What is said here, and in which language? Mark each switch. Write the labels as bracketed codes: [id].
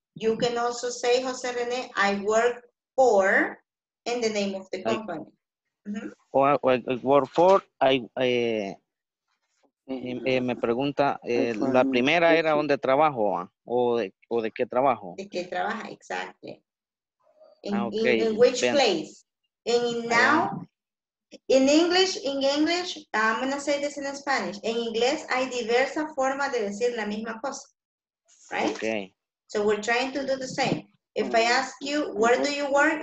[en] You can also say, Jose René, I work for, in the name of the company. [es] Me pregunta, la primera era donde trabajo, o de qué trabajo. De qué trabaja, [en] exactly. In which place? In English, I'm going to say this in Spanish. [es] En inglés hay diversas formas de decir la misma cosa. [en] Right? Okay. So we're trying to do the same. If I ask you, where do you work?